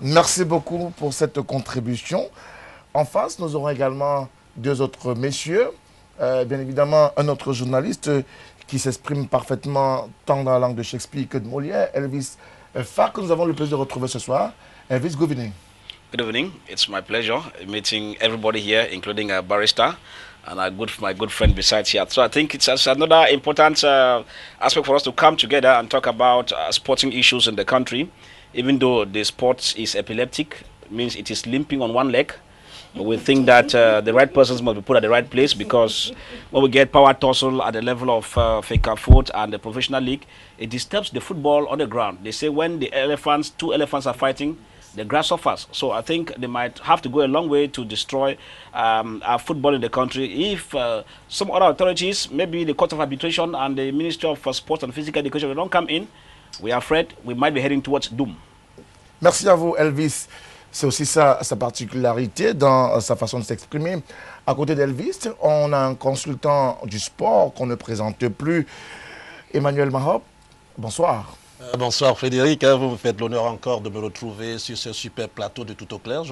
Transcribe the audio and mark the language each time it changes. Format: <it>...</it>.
<fr>Merci beaucoup pour cette contribution. En face, nous aurons également deux autres messieurs, bien évidemment un autre journaliste qui s'exprime parfaitement tant dans la langue de Shakespeare que de Molière, Elvis Farr, que nous avons le plaisir de retrouver ce soir.</fr> <en>Elvis, good evening. Good evening. It's my pleasure meeting everybody here, including a barrister and my good friend besides here. So I think it's another important aspect for us to come together and talk about sporting issues in the country. Even though the sport is epileptic, means it is limping on one leg, we think that the right persons must be put at the right place, because when we get power tussle at the level of FECAFOOT and the professional league, it disturbs the football on the ground. They say when two elephants are fighting, the grass suffers. So I think they might have to go a long way to destroy our football in the country. If some other authorities, maybe the Court of Arbitration and the Ministry of Sports and Physical Education, don't come in, we are afraid we might be heading towards doom.</en> <fr>Merci à vous, Elvis. C'est aussi ça, sa particularité dans sa façon de s'exprimer. À côté d'Elvis, on a un consultant du sport qu'on ne présente plus, Emmanuel Mahop. Bonsoir. Bonsoir Frédéric, vous me faites l'honneur encore de me retrouver sur ce super plateau de Tout au Clair.</fr>